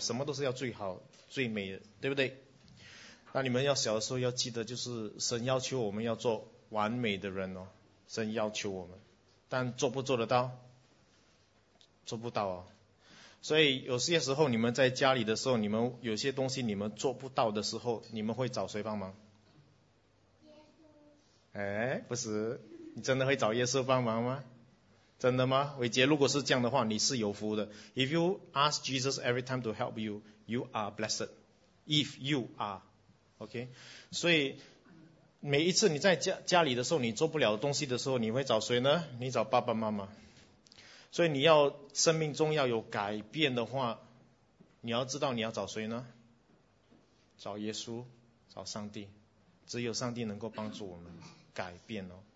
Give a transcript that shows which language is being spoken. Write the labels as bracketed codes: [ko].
[zh] 什么都是要最好最美的，对不对？那你们要小的时候要记得，就是神要求我们要做完美的人哦，神要求我们，但做不做得到？做不到哦。所以有些时候你们在家里的时候，你们有些东西你们做不到的时候，你们会找谁帮忙？耶稣。哎，不是，你真的会找耶稣帮忙吗？真的吗？伟杰，如果是这样的话，你是有福的。 [en] If you ask Jesus every time to help you, you are blessed. If you are. [zh] OK， 所以每一次你在家里的时候，你做不了东西的时候，你会找谁呢？你找爸爸妈妈。所以你要生命中要有改变的话，你要知道你要找谁呢？找耶稣，找上帝。只有上帝能够帮助我们改变哦。